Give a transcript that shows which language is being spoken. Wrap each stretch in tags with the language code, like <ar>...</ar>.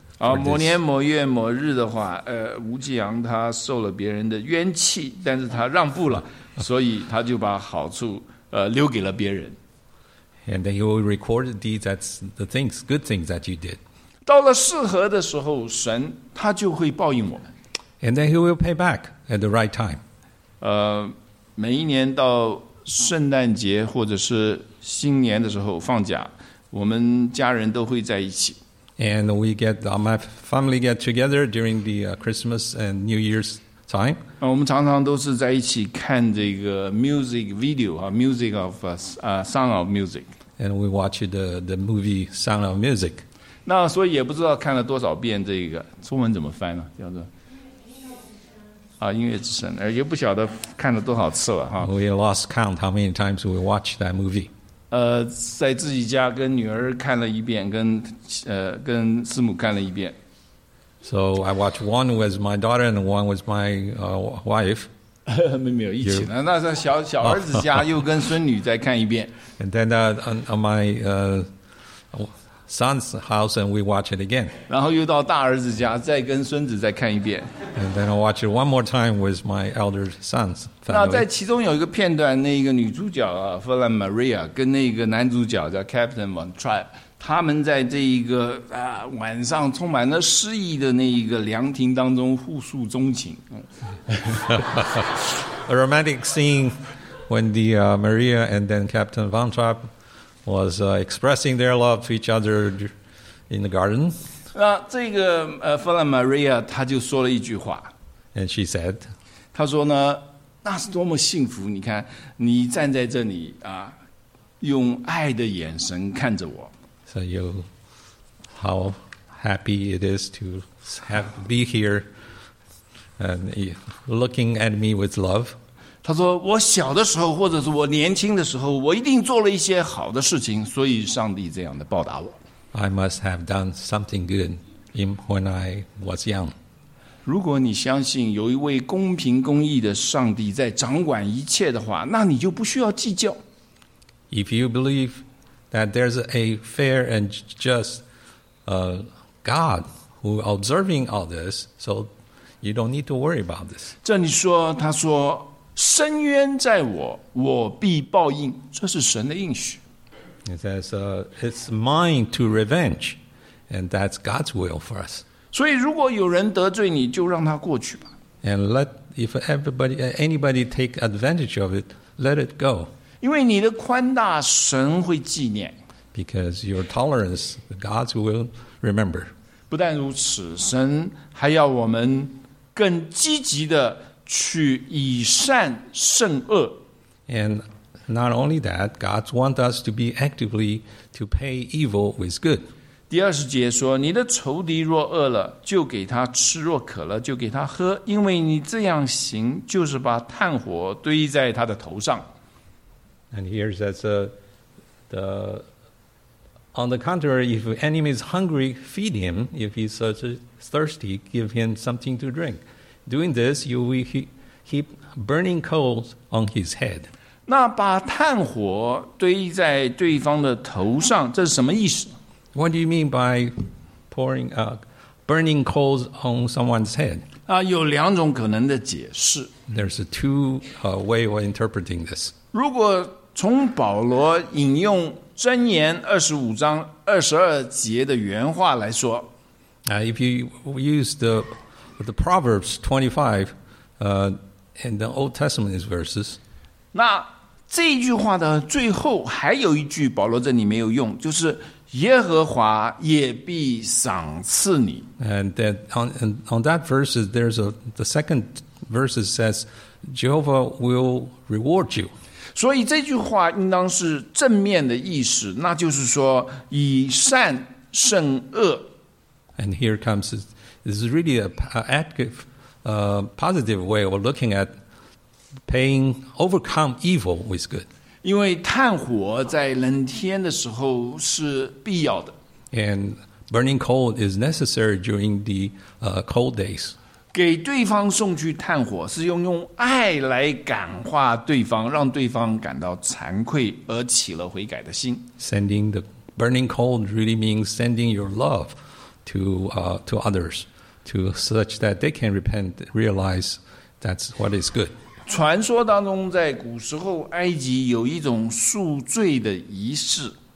<zh>某年某月某日的话，吴继阳他受了别人的冤气，但是他让步了，所以他就把好处留给了别人。</zh> <en>And he will record the things, good things that you did.</en> <zh>到了适合的时候，神他就会报应我们。</zh> <en>And then he will pay back at the right time.</en> <zh>每一年到圣诞节或者是新年的时候放假，我们家人都会在一起。</zh> <en>And we get my family get together during the Christmas and New Year's time.</en> <zh>我们常常都是在一起看这个 music video 啊 ，</zh> <en>music of Sound of Music. And we watch the movie Sound of Music.</en> <zh>那所以也不知道看了多少遍这个中文怎么翻呢？叫做啊，音乐之声，也不晓得看了多少次了哈。</zh> <en>We lost count how many times we watched that movie。</en> <zh>在自己家跟女儿看了一遍，跟师母看了一遍。</zh> <en>So I watched one with my daughter and one with my wife。</en> <zh>没有一起了，那在小儿子家又跟孙女再看一遍。</zh> <en>And then on my son's house and we watch it again.</en> <zh>然后又到大儿子家再跟孙子再看一遍。</zh> <en>And then I watch it one more time with my elder son's family.</en> <zh>那在其中有一个片段那个女主角啊 Fulham Maria 跟那个男主角叫 Captain Von Trapp 他们在这一个、晚上充满了诗意的那一个凉亭当中互诉衷情。</zh> <en>A romantic scene when the Maria and then Captain Von Trappwas expressing their love to each other in the garden.</en> <zh>那这个Fulham Maria 她就说了一句话。</zh> <en>And she said,</en> <zh>她说呢，那是多么幸福！你看，你站在这里啊，用爱的眼神看着我。</zh> <en>So you, how happy it is to be here and looking at me with love.</en> <zh>他说：“我小的时候，或者是我年轻的时候，我一定做了一些好的事情，所以上帝这样的报答我。”</zh> <en>I must have done something good when I was young.</en> <zh>如果你相信有一位公平公义的上帝在掌管一切的话，那你就不需要计较。</zh> <en>If you believe that there's a fair and just God who observing all this, so you don't need to worry about this.</en> <zh>这里说，他说。伸冤在我，我必报应。这是神的应许。</zh> <en>It says, "It's mine to revenge, and that's God's will for us."</en> <zh>所以，如果有人得罪你，就让他过去吧。</zh> <en>And let, if everybody, anybody take advantage of it, let it go.</en> <zh>因为你的宽大，神会纪念。</zh> <en>Because your tolerance, God will remember.</en> <zh>不但如此，神还要我们更积极地去以善胜恶。</zh> <en>And not only that, God wants us to be actively to pay evil with good.</en> <zh>第二十节说，你的仇敌若饿了，就给他吃；若渴了，就给他喝。因为你这样行，就是把炭火堆在他的头上。</zh> <en>And here says, on the contrary, if your enemy is hungry, feed him. If he's thirsty, give him something to drink. Doing this, you will heap burning coals on his head.</en> <zh>那把炭火堆在对方的头上，这是什么意思？</zh> <en>What do you mean by pouring burning coals on someone's head?</en> <zh>啊，有两种可能的解释。</zh> <en>There's two way of interpreting this.</en> <zh>如果从保罗引用箴言二十五章二十二节的原话来说</zh> <en>，If you use the Proverbs 25, and the Old Testament verses,</en> <zh>那这句话的最后还有一句保罗这里没有用，就是耶和华也必赏赐你。</zh> <en>And that on that verse, there's the second verse says, Jehovah will reward you.</en> <zh>所以这句话应当是正面的意思，那就是说以善胜恶。</zh> <en>And here comes, this is really an active, positive way of looking at paying, overcome evil with good.</en> <zh>因为炭火在冷天的时候是必要的。</zh> <en>And burning coal is necessary during the cold days.</en> <zh>给对方送去炭火是用爱来感化对方，让对方感到惭愧而起了悔改的心。</zh> <en>Sending the burning coal really means sending your love to others, to such that they can repent, realize that's what is good.</en> <zh>传说当中，在古时候埃及有一种赎罪的仪式。</zh>